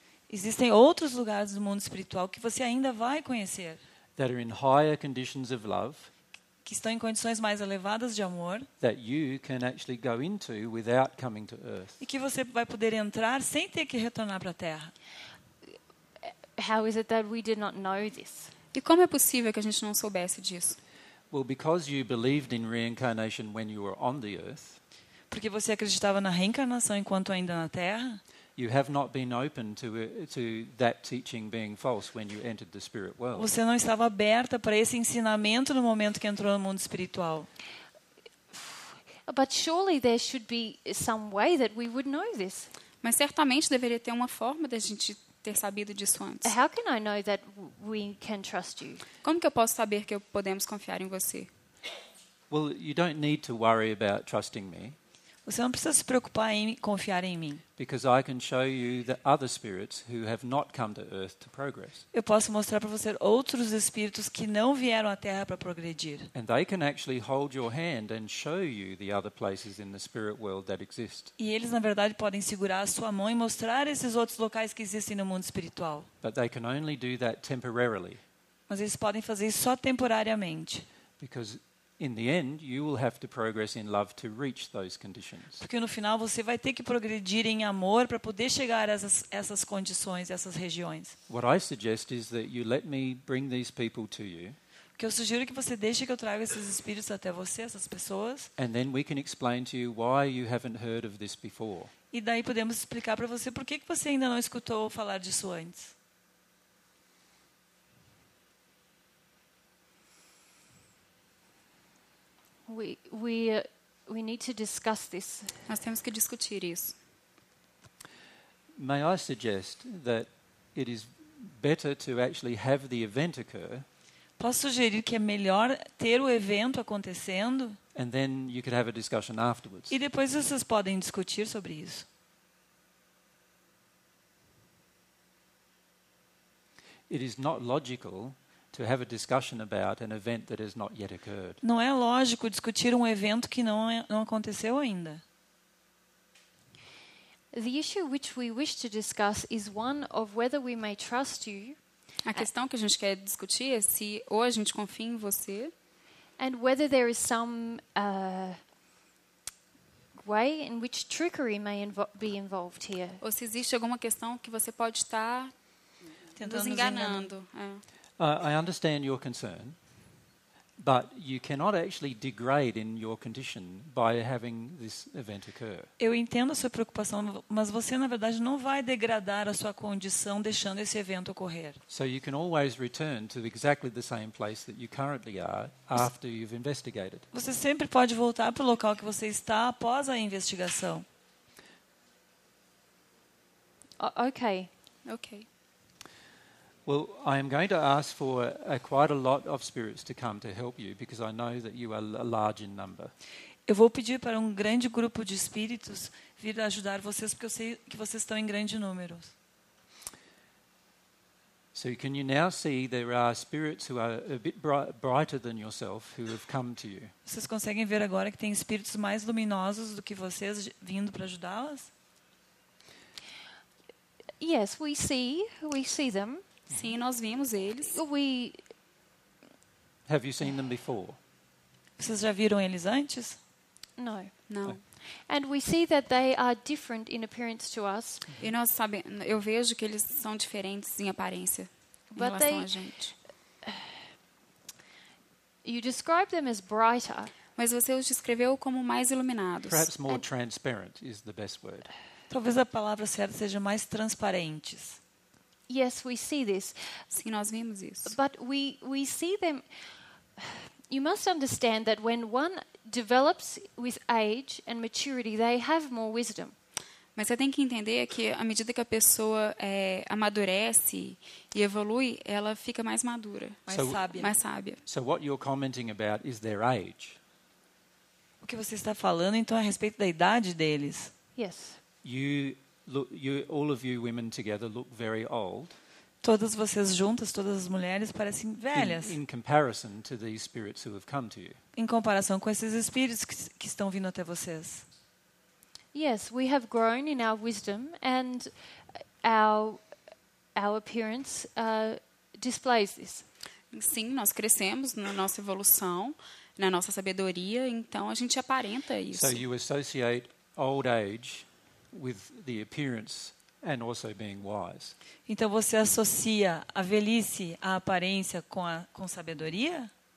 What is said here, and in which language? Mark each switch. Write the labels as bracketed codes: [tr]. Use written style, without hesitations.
[pt] Existem outros lugares do mundo espiritual que você ainda vai conhecer. [en] That are in higher conditions of love. [pt] Que estão em condições mais elevadas de amor. [en] That you can actually go into without coming to earth. [pt] E que você vai poder entrar sem ter que retornar para a Terra. [en] How is it that we did not know this? [pt] E como é possível que a gente não soubesse disso? [en] Well, because you believed in reincarnation when you were on the earth. [pt] Porque você acreditava na reencarnação enquanto ainda na Terra. [en] You have not been open to that teaching being false when you entered the spirit world. [pt] Você não estava aberta para esse ensinamento no momento que entrou no mundo espiritual. [en] But surely there should be some way that we would know this. [pt] Mas certamente deveria ter uma forma da gente ter sabido disso antes. [en] How can I know that we can trust you? [pt] Como que eu posso saber que podemos confiar em você? [en] Well, you don't need to worry about trusting me. [pt] Você não precisa se preocupar em confiar em mim. [en] Because I can show you the other spirits who have not come to earth to progress. [pt] Eu posso mostrar para você outros espíritos que não vieram à Terra para progredir. [en] And they can actually hold your hand and show you the other places in the spirit world that exist. [pt] E eles na verdade podem segurar a sua mão e mostrar esses outros locais que existem no mundo espiritual. [en] But they can only do that temporarily. [pt] Mas eles podem fazer isso só temporariamente. [en] Because in the end, you will have to progress in love to reach those conditions. [pt] Porque no final você vai ter que progredir em amor para poder chegar a essas condições, essas regiões. [en] What I suggest is that you let me bring these people to you. [pt] O que eu sugiro é que você deixe que eu traga esses espíritos até você, essas pessoas. [en] And then we can explain to you why you haven't heard of this before. [pt] E daí podemos explicar para você por que você ainda não escutou falar disso antes. [en] We need to discuss this. [pt] Nós temos que discutir isso. [en] May I suggest that it is better to actually have the event occur? [pt] Posso sugerir que é melhor ter o evento acontecendo? [en] And then you could have a discussion afterwards. [pt] E depois vocês podem discutir sobre isso. [en] It is not logical to have a discussion about an event that has not yet occurred. [pt] Não é lógico discutir evento que não aconteceu ainda. [en] The issue which we wish to discuss is one of whether we may trust you. [pt] A questão que a gente quer discutir é se ou a gente confia em você. [en] And whether there is some way in which trickery may be involved here. [pt] Ou se existe alguma questão que você pode estar tentando nos enganando. [en] I understand your concern, but you cannot actually degrade in your condition by having this event occur. [pt] Eu entendo a sua preocupação, mas você na verdade não vai degradar a sua condição deixando esse evento ocorrer. [en] So you can always return to exactly the same place that you currently are after you've investigated. [pt] Você sempre pode voltar para o local que você está após a investigação. [en] Okay. Well, I am going to ask for quite a lot of spirits to come to help you because I know that you are large in number. [pt] Eu vou pedir para grande grupo de espíritos vir ajudar vocês porque eu sei que vocês estão em grande número. [en] So can you now see there are spirits who are a bit brighter than yourself who have come to you? [pt] Vocês conseguem ver agora que tem espíritos mais luminosos do que vocês vindo para ajudá-las? [en] Yes, we see them. [pt] Sim, nós vimos eles. [en] Have you seen them before? [pt] Vocês já viram eles antes? [en] No. [pt] Não. [en] And we see that they are different in appearance to us. [pt] E nós sabemos, eu vejo que eles são diferentes em aparência em relação a gente. [en] You describe them as brighter. [pt] Mas você os descreveu como mais iluminados. [en] Perhaps more transparent is the best word. [pt] Talvez a palavra certa seja mais transparentes. [en] Yes, we see this. [pt] Sim, nós vimos isso. [en] But we see them. You must understand that when one develops with age and maturity, they have more wisdom. [pt] Mas você tem que entender que à medida que a pessoa amadurece e evolui, ela fica mais madura, mais sábia. Mais sábia. [en] So what you're commenting about is their age. [pt] O que você está falando então é a respeito da idade deles? [en] Yes. All of you women together look very old. [pt] Todas vocês juntas, todas as mulheres parecem velhas. [en] In comparison to these spirits who have come to you. [pt] Em comparação com esses espíritos que estão vindo até vocês. [en] Yes, we have grown in our wisdom and our appearance displays this. [pt] Sim, nós crescemos na nossa evolução, na nossa sabedoria, então a gente aparenta isso. [en] So you associate old age with the appearance and also being wise. [pt] Então você associa a velhice, a aparência com sabedoria?